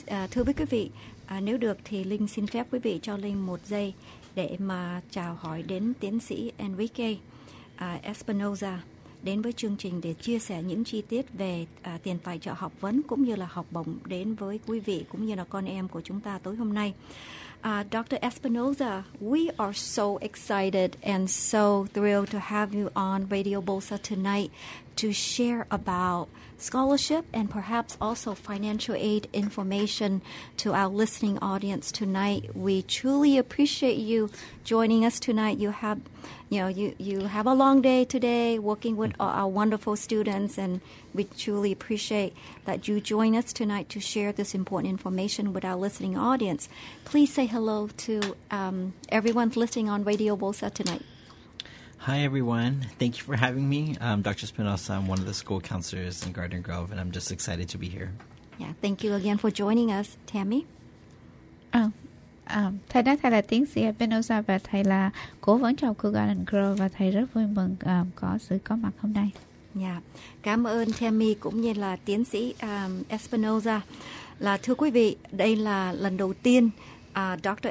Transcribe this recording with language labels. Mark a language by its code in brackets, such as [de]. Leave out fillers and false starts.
[vi] Thưa quý vị, nếu được thì Linh xin phép quý vị cho Linh một giây để mà chào hỏi đến tiến sĩ Enrique Espinoza đến với chương trình để chia sẻ những chi tiết về tiền tài trợ học vấn cũng như là học bổng đến với quý vị cũng như là con em của chúng ta tối hôm nay. [en] Dr. Espinoza, we are so excited and so thrilled to have you on Radio Bosa tonight to share about scholarship and perhaps also financial aid information to our listening audience tonight. We truly appreciate you joining us tonight. You have, you know, you have a long day today working with our wonderful students, and we truly appreciate that you join us tonight to share this important information with our listening audience. Please say hello to everyone listening on Radio Bosa tonight. Hi, everyone. Thank you for having me. I'm Dr. Espinoza. I'm one of the school counselors in Garden Grove, and I'm just excited to be here. Yeah, thank you again for joining us, Tammy. [vi] Thầy nói thầy là tiến sĩ Espinoza và thầy là cố vấn cho khu Garden Grove, và thầy rất vui mừng có sự có mặt hôm nay. [en] Yeah. [vi] Cảm ơn Tammy cũng như là tiến sĩ Espinoza. Là thưa quý vị, đây là lần đầu tiên Dr.